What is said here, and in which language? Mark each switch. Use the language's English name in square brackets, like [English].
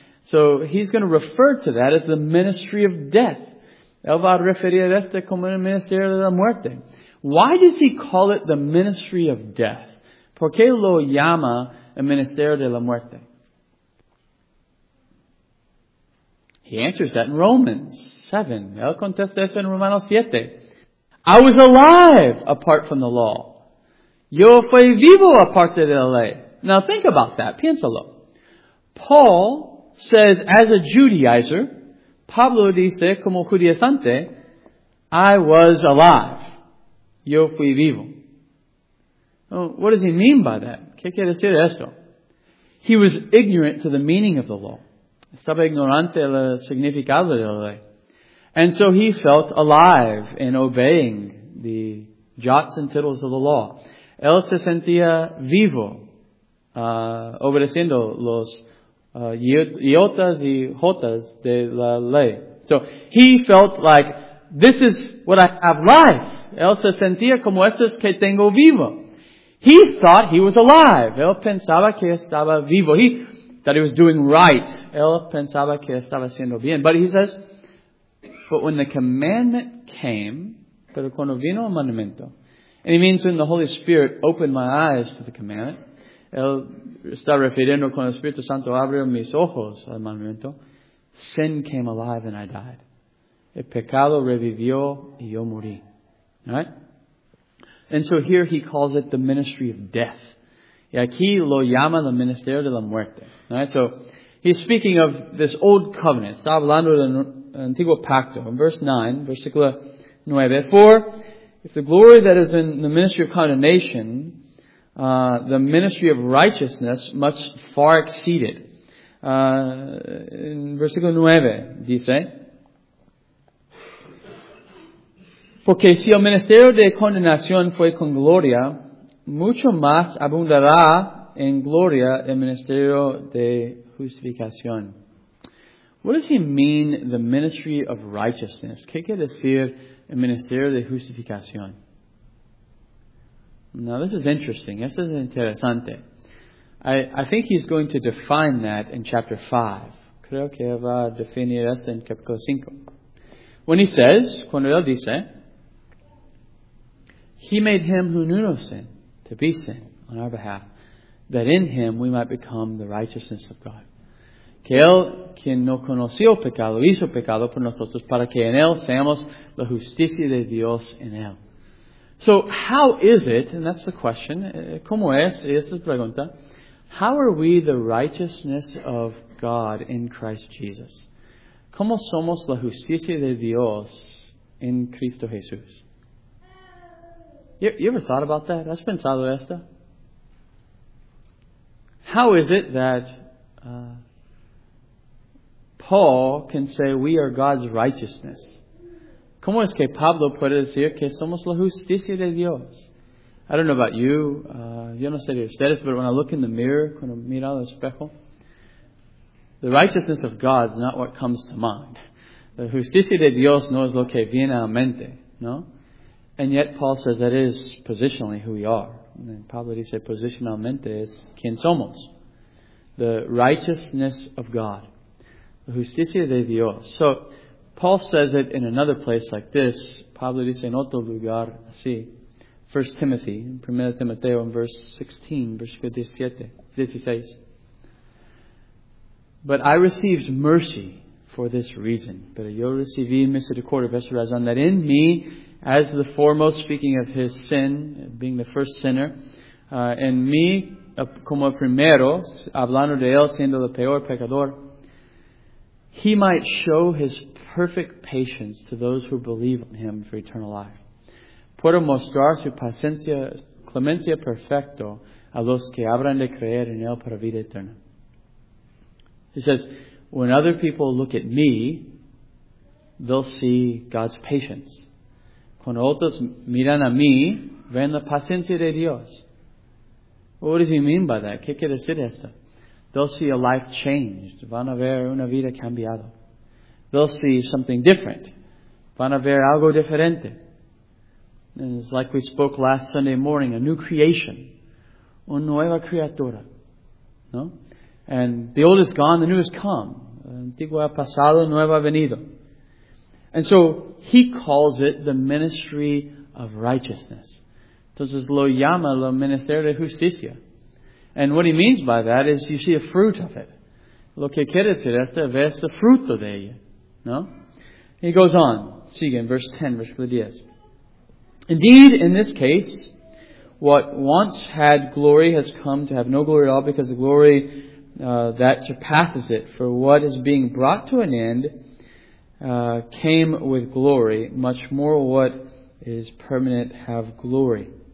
[English] So he's going to refer to that as the ministry of death. [Spanish] Él va a referir este como el ministerio de la muerte. [English] Why does he call it the ministry of death? [Spanish] ¿Por qué lo llama el ministerio de la muerte? [English] He answers that in Romans 7. [Spanish] Él contesta eso en Romanos 7. [English] I was alive apart from the law. [Spanish] Yo fui vivo aparte de la ley. [English] Now think about that. [Spanish] Piénsalo. [English] Paul says, as a Judaizer, [Spanish] Pablo dice, como judaizante, [English] I was alive. [Spanish] Yo fui vivo. [English] Well, what does he mean by that? [Spanish] ¿Qué quiere decir esto? [English] He was ignorant to the meaning of the law. [Spanish] Estaba ignorante del significado de la ley. [English] And so he felt alive in obeying the jots and tittles of the law. [Spanish] Él se sentía vivo, obedeciendo los iotas y jotas de la ley. [English] So he felt like, this is what I have life. [Spanish] Él se sentía como esto es que tengo vivo. [English] He thought he was alive. [Spanish] Él pensaba que estaba vivo. [English] He thought he was doing right. [Spanish] Él pensaba que estaba haciendo bien. [English] But he says, but when the commandment came, [Spanish] pero cuando vino el mandamiento, [English] and he means when the Holy Spirit opened my eyes to the commandment, [Spanish] él está refiriendo cuando el Espíritu Santo abrió mis ojos al mandamiento, [English] sin came alive and I died. [Spanish] El pecado revivió y yo morí. [English] Right? And so here he calls it the ministry of death. [Spanish] Y aquí lo llama el ministerio de la muerte. [English] Right? So he's speaking of this old covenant. [Spanish] Está hablando del antiguo pacto. [English] In verse 9, [Spanish] versículo 9. [English] For if the glory that is in the ministry of condemnation, the ministry of righteousness much far exceeded. [Spanish] In versículo 9 dice, porque si el ministerio de condenación fue con gloria, mucho más abundará en gloria el ministerio de justificación. [English] What does he mean, the ministry of righteousness? [Spanish] ¿Qué quiere decir el ministerio de justificación? [English] Now, this is interesting. This is interesante. I think he's going to define that in chapter 5. [Spanish] Creo que va a definir esto en capítulo 5. [English] When he says, cuando él dice, he made him who knew no sin to be sin on our behalf, that in him we might become the righteousness of God. [Spanish] Que él, quien no conoció pecado, hizo pecado por nosotros, para que en él seamos la justicia de Dios en él. [English] So how is it, and that's the question, [Spanish] ¿cómo es? Y esta es la pregunta. [English] How are we the righteousness of God in Christ Jesus? [Spanish] ¿Cómo somos la justicia de Dios en Cristo Jesús? [English] You ever thought about that? [Spanish] ¿Has pensado esto? [English] How is it that Paul can say we are God's righteousness? [Spanish] ¿Cómo es que Pablo puede decir que somos la justicia de Dios? [English] I don't know about you, [Spanish] yo no sé de ustedes, [English] but when I look in the mirror, [Spanish] cuando miro al espejo, [English] the righteousness of God is not what comes to mind. [Spanish] La justicia de Dios no es lo que viene a la mente, ¿no? [English] And yet Paul says that is positionally who we are. And then [Spanish] Pablo dice, positionalmente es quien somos. [English] The righteousness of God. [Spanish] La justicia de Dios. [English] So, Paul says it in another place like this. [Spanish] Pablo dice en otro lugar así. [English] 1 Timothy, 1 Timoteo in verse 16, [Spanish] versículo 16. [English] But I received mercy for this reason. [Spanish] Pero yo recibí misericordia por esta razón, [English] that in me, as the foremost, speaking of his sin, being the first sinner, [Spanish] en mí, como primero, hablando de él, siendo el peor pecador, [English] he might show his perfect patience to those who believe in him for eternal life. [Spanish] Puedo mostrar su paciencia, clemencia perfecto a los que habrán de creer en él para vida eterna. [English] He says, when other people look at me, they'll see God's patience. [Spanish] Cuando otros miran a mí, ven la paciencia de Dios. [English] What does he mean by that? [Spanish] ¿Qué quiere decir esto? [English] They'll see a life changed. [Spanish] Van a ver una vida cambiada. [English] They'll see something different. [Spanish] Van a ver algo diferente. [English] And it's like we spoke last Sunday morning, a new creation. [Spanish] Una nueva criatura. No? [English] And the old is gone, the new has come. [Spanish] Antiguo ha pasado, nuevo ha venido. [English] And so, he calls it the ministry of righteousness. [Spanish] Entonces, lo llama lo ministerio de justicia. [English] And what he means by that is you see a fruit of it. [Spanish] Lo que quiere decir es que ves el fruto de ella. No? [English] He goes on. [Spanish] Sigue en [English] verse 10, [Spanish] versículo 10. [English] Indeed, in this case, what once had glory has come to have no glory at all because the glory that surpasses it for what is being brought to an end came with glory, much more what is permanent have glory.